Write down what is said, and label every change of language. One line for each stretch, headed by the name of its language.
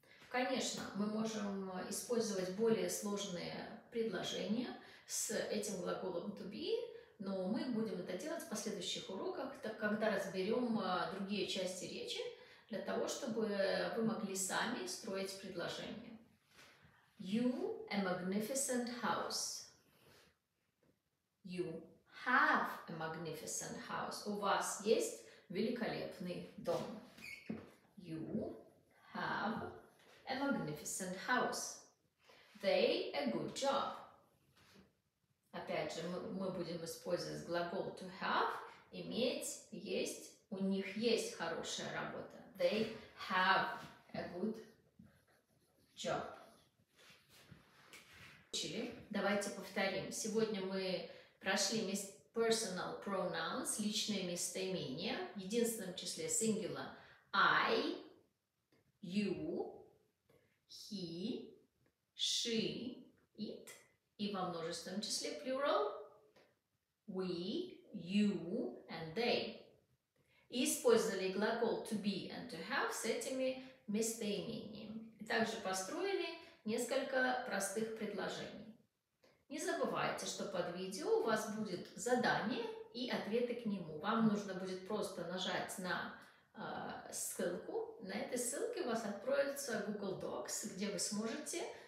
Russian: Конечно, мы можем использовать более сложные предложения с этим глаголом to be, но мы будем это делать в последующих уроках, когда разберем другие части речи, для того, чтобы вы могли сами строить предложение.
English: You a magnificent house. You have a magnificent house.
Russian: У вас есть великолепный дом.
English: You have a magnificent house. They a good job.
Russian: Опять же, мы будем использовать глагол to have, иметь, есть. У них есть хорошая работа.
English: They have a good job.
Russian: Давайте повторим. Сегодня мы прошли personal pronouns, личные местоимения, в единственном числе singular I, you, he, she, it, и во множественном числе plural we, you, and they. И использовали глагол to be and to have с этими местоимениями. Также построили несколько простых предложений. Не забывайте, что под видео у вас будет задание и ответы к нему. Вам нужно будет просто нажать на ссылку. На этой ссылке у вас откроется Google Docs, где вы сможете